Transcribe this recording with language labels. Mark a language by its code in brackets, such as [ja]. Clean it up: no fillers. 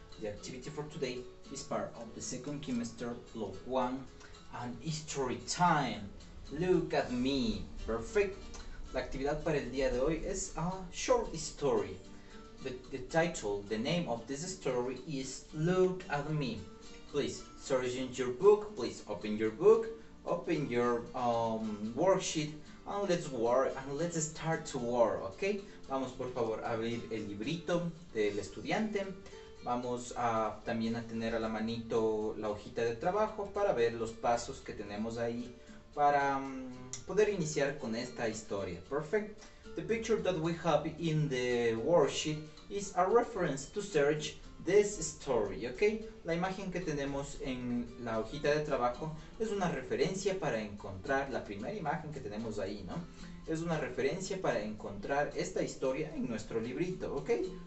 [en] The activity for today is part of the second semester, block 1, and history time. Look at me, perfect. [es] La actividad para el día de hoy es [en] a short story. The title, the name of this story is Look at Me. Please search in your book, please open your book, open your worksheet, and let's work and let's start to work, okay? [es] Vamos por favor a abrir el librito del estudiante. Vamos a también a tener a la manito la hojita de trabajo para ver los pasos que tenemos ahí para poder iniciar con esta historia. [en] Perfect. The picture that we have in the worksheet is a reference to search this story, okay? [es] La imagen que tenemos en la hojita de trabajo es una referencia para encontrar la primera imagen que tenemos ahí, ¿no? Es una referencia para encontrar esta historia en nuestro librito, okay?